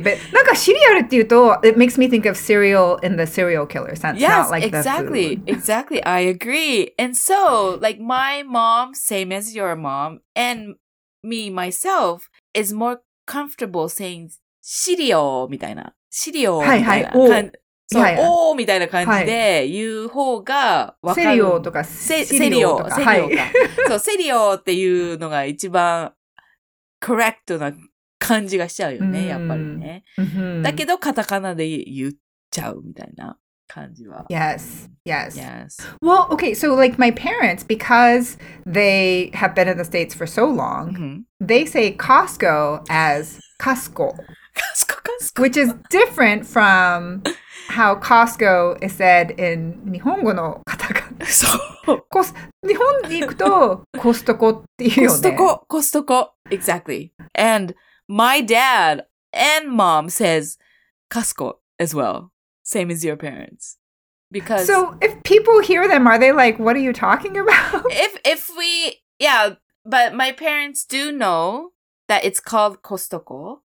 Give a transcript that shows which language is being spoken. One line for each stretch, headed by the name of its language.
English: But like cereal, it makes me think of cereal in the serial killer sense. Yes, not like exactly. The food. Exactly. I agree. And so, like my mom, same as your mom, and me, myself, is more comfortable saying cereal,
Japanese: みたいな.
English: Cereal.
Japanese: はいはい。
English: そう、yeah, yeah.
Japanese: おーみたいな感じで言う方が分かる。セリオとかセリオとか。セリオか。はい、そう、セリオっていうのが一番コレクトな感じがしちゃうよね、やっぱりね。だけど、カタカナで言っちゃうみたいな感じは。
English: Yes, yes. Yes. Well, okay, so like my parents, because they have been in the States for so long,、mm-hmm. they say Costco as Costco. Costco, Costco. Which is different from... How Costco is said in
Japanese: 日本語の
English: katakana.
Japanese: そう。コス、日本に行くとコストコっていうよね。コストコ、コストコ。Exactly.
English: And my dad and mom says Costco as well. Same as your parents. Because... So if people hear them, are they like, what are you talking about? If we... Yeah, but my parents do know that it's called Costco.